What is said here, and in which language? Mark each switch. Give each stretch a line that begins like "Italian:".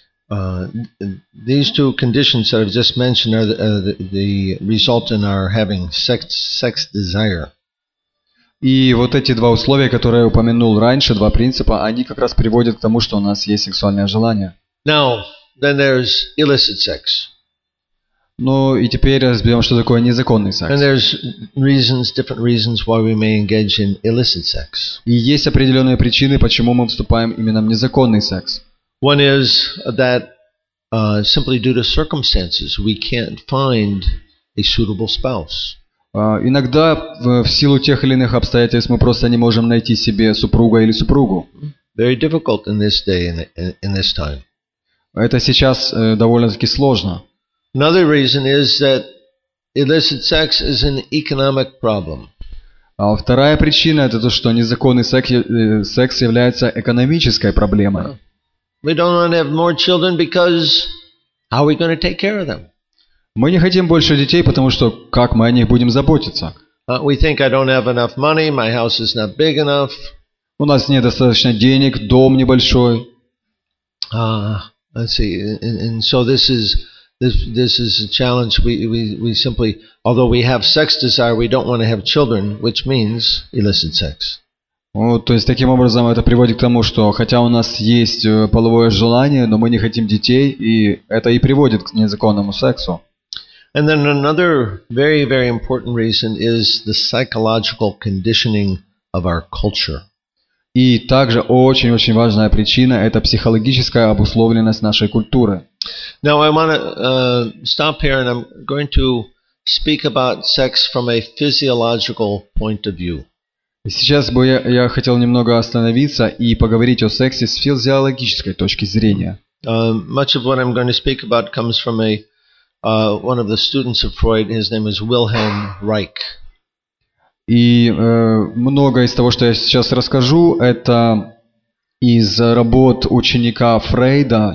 English: These two conditions that I've just mentioned are the result in our having sex desire.
Russian: И вот эти два условия, которые я упомянул раньше, два принципа, они как раз приводят к тому, что у нас есть сексуальное желание.
English: Now, then there's illicit sex.
Russian: Ну и теперь разберем, что такое незаконный секс.
English: And there's reasons, different reasons why we may engage in illicit sex.
Russian: И есть определенные причины, почему мы вступаем именно в незаконный секс.
English: One is that simply due to circumstances we can't find a suitable spouse.
Russian: Иногда в силу тех или иных обстоятельств мы просто не можем найти себе супруга или супругу.
English: Very difficult in this day and in this time.
Russian: Это сейчас довольно-таки сложно.
English: Another reason is that illicit sex is an economic problem.
Russian: Вторая причина — это то, что незаконный секс является экономической проблемой.
English: We don't want to have more children because how are we going to take care of them?
Russian: Мы не хотим больше детей, потому что как мы о них будем заботиться?
English: We think I don't have enough money, my house is not big enough.
Russian: У нас недостаточно денег, дом небольшой.
English: Let's see, and so this is a challenge. We simply, although we have sex desire, we don't want to have children, which means illicit sex.
Russian: То есть таким образом это приводит к тому, что хотя у нас есть половое желание, но мы не хотим детей, и это и приводит к незаконному сексу.
English: And then another very, very important reason is the psychological conditioning of our culture.
Russian: И также очень-очень важная причина – это психологическая обусловленность нашей культуры.
English: Now I want to stop here, and I'm going to speak about sex from a physiological point of view.
Russian: И сейчас бы я хотел немного остановиться и поговорить о сексе с физиологической точки зрения.
English: Much of what I'm going to speak about comes from one of the students of Freud. His name is Wilhelm Reich.
Russian: И многое из того, что я сейчас расскажу, это из работ ученика Фрейда.